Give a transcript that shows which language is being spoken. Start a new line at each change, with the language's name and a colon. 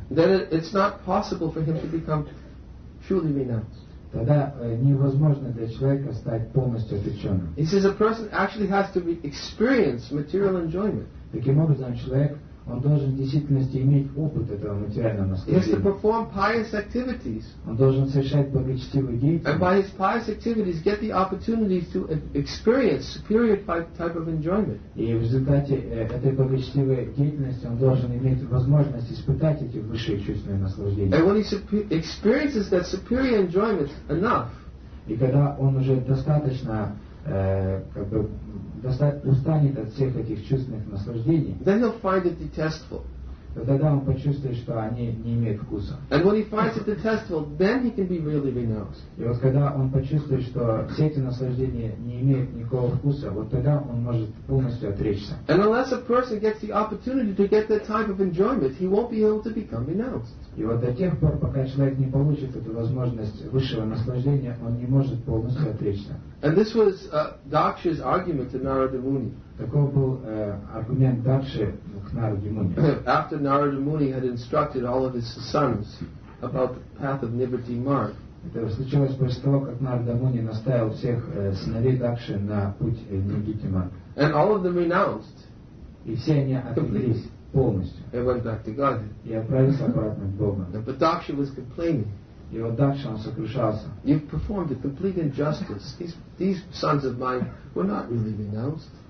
English: then it's not possible for him to become truly renounced.
Russian: Тогда невозможно для человека стать полностью отреченным.
English: He says a person actually has to experience material enjoyment.
Russian: Таким образом, человек, он должен в действительности иметь опыт этого материального наслаждения.
English: He has to perform pious activities.
Russian: Он должен совершать благочестивые деяния.
English: And by his pious activities, get the opportunity to experience superior type of enjoyment.
Russian: И в результате этой благочестивой деятельности он должен иметь возможность испытать эти высшие чувственные наслаждения.
English: And when he experiences that superior enjoyment enough,
Russian: и когда он уже достаточно как бы устанет от всех этих чувственных наслаждений,
English: then he'll find it detestable.
Russian: Тогда он почувствует, что они не имеют вкуса.
English: And when he finds it detestable, then he can be really renounced.
Russian: И вот когда он почувствует, что все эти наслаждения не имеют никакого вкуса, вот тогда он может полностью отречься.
English: And unless a person gets the opportunity to get that type of enjoyment, he won't be able to become renounced.
Russian: И вот до тех пор, пока человек не получит эту возможность высшего наслаждения, он не может полностью отречься.
English: And this was Daksha's argument to Narada Muni.
Russian: Таков был аргумент Дакши к Нараде Муни.
English: After Narada Muni had instructed all of his sons about the path of Nibbati Marg.
Russian: Это случилось после того, как Нарада Муни наставил всех сыновей Дакши на путь Нибити Марг.
English: And all of them renounced.
Russian: И все они отреклись. Полностью.
English: I went back to Godhead.
Russian: Я отправился обратно к Богу.
English: But Daksha was complaining.
Russian: И вот Дакша, он сокрушался.
English: You've performed a complete injustice. These sons of mine were not really renounced.